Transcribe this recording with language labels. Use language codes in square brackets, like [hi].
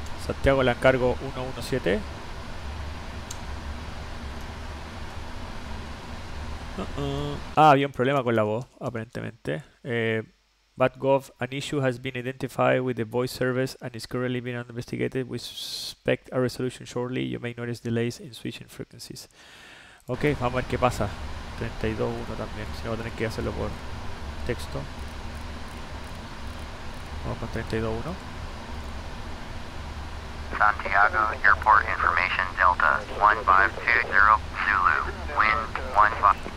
[es] Santiago, la encargo 117. Había un problema con la voz, aparentemente. [en] Batgov, an issue has been identified with the voice service and is currently being investigated. We expect a resolution shortly. You may notice delays in switching frequencies. [es] Ok, vamos a ver qué pasa. 32.1 también, si no, voy a tener que hacerlo por texto. Vamos con 32.1. [en] Santiago Airport Information Delta 1520 Zulu Wind 15.